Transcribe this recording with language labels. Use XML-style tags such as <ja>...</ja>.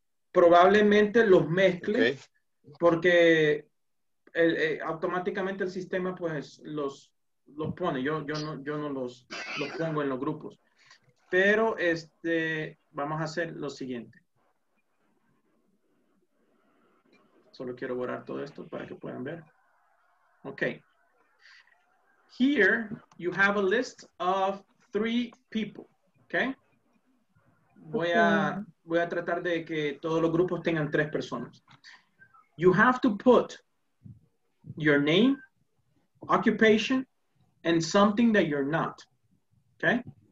<es>Probablemente los mezcle, okay. Porque automáticamente el sistema pues los pone. Yo no los pongo en los grupos. Pero vamos a hacer lo siguiente. Solo quiero borrar todo esto para que puedan ver. Ok.</es> <en>Here, you have a list of three people, okay?</en> <es>Voy a tratar de que todos los grupos tengan tres personas.</es> <en>You have to put your name, occupation, and something that you're not, okay?</en>